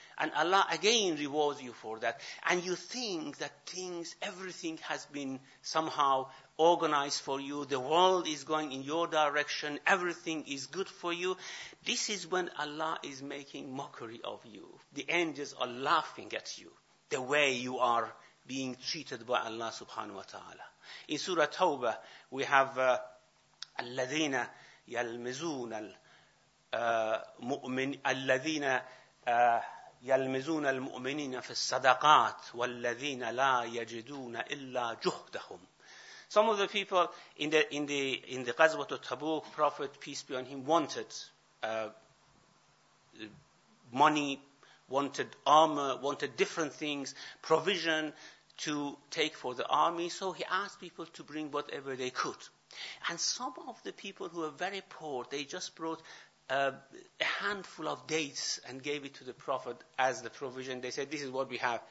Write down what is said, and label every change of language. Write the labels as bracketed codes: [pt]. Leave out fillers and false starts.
[en] And Allah again rewards you for that. And you think that everything has been somehow organized for you. The world is going in your direction. Everything is good for you. This is when Allah is making mockery of you. The angels are laughing at you, the way you are being treated by Allah subhanahu wa ta'ala. In Surah Tawbah, we have [ar] الَّذِينَ يَلْمِزُونَ الْمُؤْمِنِينَ الَّذِينَ يَلْمِزُونَ الْمُؤْمِنِينَ فِي الصَّدَقَاتِ وَالَّذِينَ لَا يَجِدُونَ إِلَّا جُهْدَهُمْ. [en] Some of the people in the Ghazwat al-Tabuk, Prophet, peace be on him, wanted money, wanted armor, wanted different things, provision to take for the army. So he asked people to bring whatever they could. And some of the people who were very poor, they just brought a handful of dates and gave it to the Prophet as the provision. They said, "This is what we have.